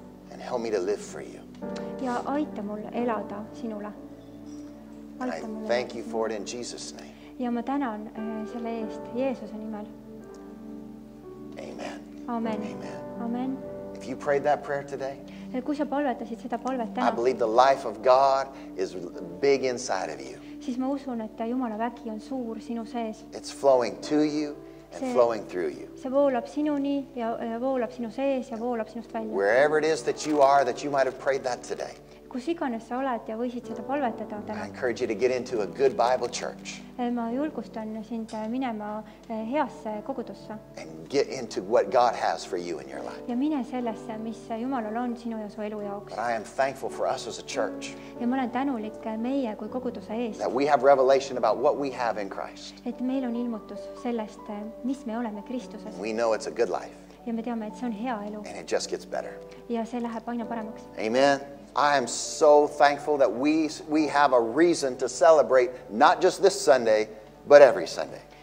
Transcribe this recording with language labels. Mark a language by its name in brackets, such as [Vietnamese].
[English] And help me to live for you. [Estonian] Ja aita mul elada sinule. [English] And I thank you for it in Jesus' name. [Estonian] Ja ma tänan selle eest Jeesuse nimel. [English] Amen. Amen. Amen. If you prayed that prayer today, [Estonian] kui sa palvetasid seda palvet täna, [English] I believe the life of God is big inside of you. [Estonian] Siis ma usun, et Jumala vägi on suur sinu sees. [English] It's flowing to you and flowing through you. [Estonian] See voolab sinuni ja voolab sinu sees ja voolab sinust välja. [English] Wherever it is that you are, that you might have prayed that today, [Estonian] kus iganes sa oled ja võisid seda palvetada täna. [English] I encourage you to get into a good Bible church. [Estonian] Ma julgustan sind minema heasse kogudusse. [English] And get into what God has for you in your life. [Estonian] Ja mine sellesse, mis Jumalal on sinu ja su elu jaoks. [English] But I am thankful for us as a church. [Estonian] Ja ma olen tänulik meie kui koguduse eest. [English] That we have revelation about what we have in Christ. [Estonian] Et meil on ilmutus sellest, mis me oleme Kristuses. [English] We know it's a good life. [Estonian] Ja me teame, et see on hea elu. [English] And it just gets better. [Estonian] Ja see läheb aina paremaks. [English] Amen. I am so thankful that we have a reason to celebrate not just this Sunday, but every Sunday.